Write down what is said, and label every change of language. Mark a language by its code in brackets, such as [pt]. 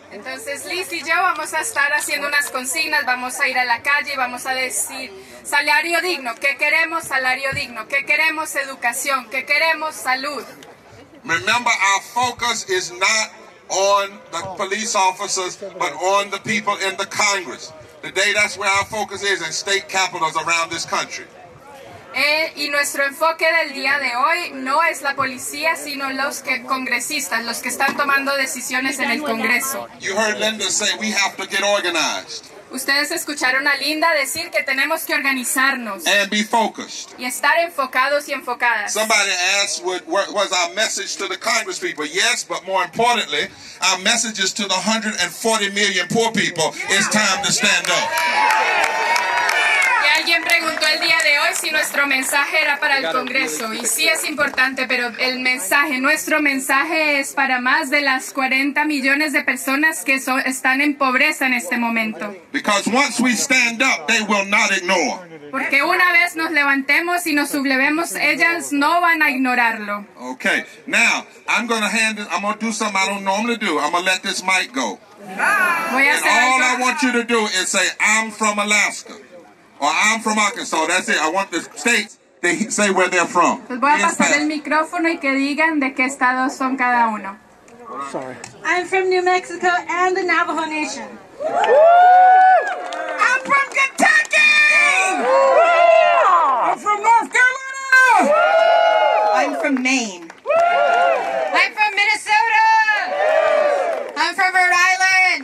[es] Entonces, Liz y yo vamos a estar haciendo unas consignas, vamos a ir a la calle y vamos a decir salario digno, ¿qué queremos? Salario digno, ¿qué queremos? Educación, ¿qué queremos? Salud. [en] Remember, our focus is not on the police officers, but on the people in the Congress. Today, that's where our focus is, in state capitals around this country. [es] Y nuestro enfoque del día de hoy no es la policía, sino los que congresistas, los que están tomando decisiones en el Congreso. [en] You heard Linda say we have to get organized. [es] Ustedes escucharon a Linda decir que tenemos que organizarnos. [en] And be focused. [es] Y estar enfocados y enfocadas. [en] Somebody asked what was our message to the Congress people. Yes, but more importantly, our message is to the 140 million poor people. Yeah. It's time to stand up. [es] Alguien preguntó el día de hoy si nuestro mensaje era para el Congreso, y sí es importante, pero el mensaje, nuestro mensaje es para más de las 40 millones de personas que están en pobreza en este momento. [en] Because once we stand up, they will not ignore. [es] Porque una vez nos levantemos y nos sublevemos, ellas no van a ignorarlo. [en] Okay, now, I'm going to do something I don't normally do. I'm going to let this mic go. [es] Voy a hacer [en] and all I want you to do is say, I'm from Alaska. Or I'm from Arkansas, that's it. I want the states to say where they're from. [es] Voy a pasar el micrófono y que digan de qué estado son cada uno. [en] Sorry. I'm from New Mexico and the Navajo Nation. Woo! I'm from Kentucky! Woo! I'm from North Carolina! Woo! I'm from Maine. Woo! I'm from Minnesota! Woo! I'm from Rhode Island!